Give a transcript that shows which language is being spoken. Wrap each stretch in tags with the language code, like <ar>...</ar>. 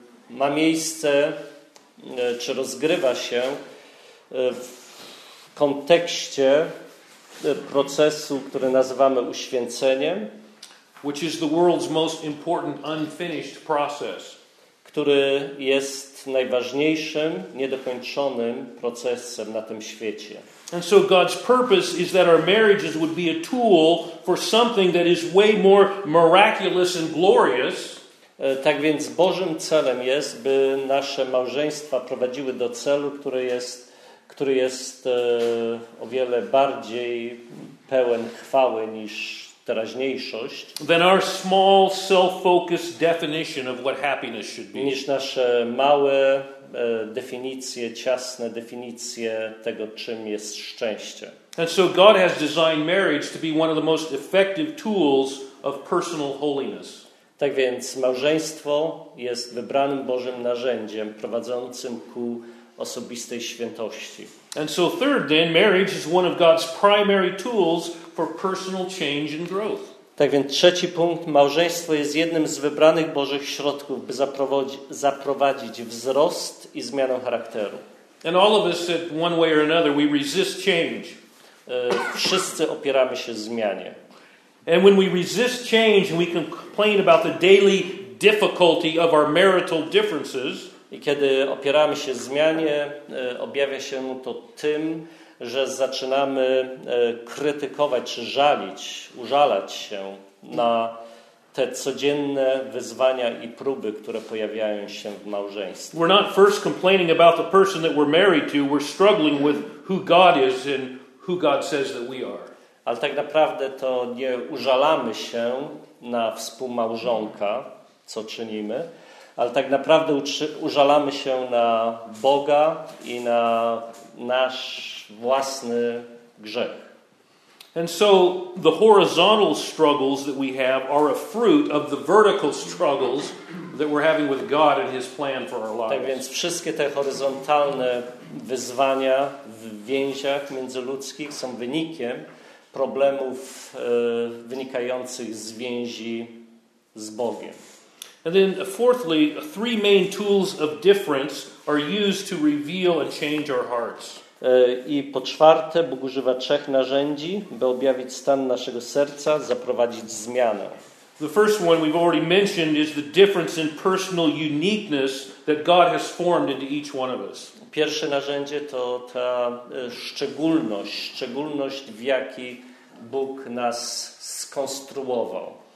<pl>Ma miejsce, czy rozgrywa się w kontekście procesu, który nazywamy uświęceniem,</pl> <en>which is the world's most important unfinished process,</en> <pl>który jest najważniejszym, niedokończonym procesem na tym świecie.</pl> <en>And so God's purpose is that our marriages would be a tool for something that is way more miraculous and glorious.</en> <pl>Tak więc Bożym celem jest, by nasze małżeństwa prowadziły do celu, który jest o wiele bardziej pełen chwały niż teraźniejszość.</pl> <en>Than our small, self-focused definition of what happiness should be.</en> <pl>Niż nasze małe definicje, ciasne definicje tego, czym jest szczęście.</pl> <en>And so God has designed marriage to be one of the most effective tools of personal holiness.</en> <pl>Tak więc małżeństwo jest wybranym Bożym narzędziem prowadzącym ku osobistej świętości.</pl> <en>And so third then, marriage is one of God's primary tools for personal change and growth.</en> <pl>Tak więc trzeci punkt, małżeństwo jest jednym z wybranych Bożych środków, by zaprowadzić wzrost i zmianę charakteru.</pl> <en>And all of us in one way or another we resist change.</en> <pl>Wszyscy opieramy się zmianie.</pl> <en>And when we resist change and we complain about the daily difficulty of our marital differences,</en> <pl>i kiedy opieramy się zmianie, objawia się to tym, że zaczynamy krytykować czy żalić, użalać się na te codzienne wyzwania i próby, które pojawiają się w małżeństwie.</pl> <en>We're not first complaining about the person that we're married to, we're struggling with who God is and who God says that we are.</en> <pl>Ale tak naprawdę to nie użalamy się na współmałżonka, co czynimy, ale tak naprawdę użalamy się na Boga i na nasz własny grzech.</pl> <en>And so the horizontal struggles that we have are a fruit of the vertical struggles that we're having with God and His plan for our lives.</en> <pl>Tak więc wszystkie te horyzontalne wyzwania w więziach międzyludzkich są wynikiem problemów wynikających z więzi z Bogiem.</pl> <en>And then fourthly, three main tools of difference are used to reveal and change our hearts.</en> <pl>I po czwarte, Bóg używa trzech narzędzi, by objawić stan naszego serca, zaprowadzić zmianę.</pl> <en>The first one we've already mentioned is the difference in personal uniqueness that God has formed into each one of us.</en> <pl>Pierwsze narzędzie to ta szczególność, w jaki Bóg nas skonstruował.</pl>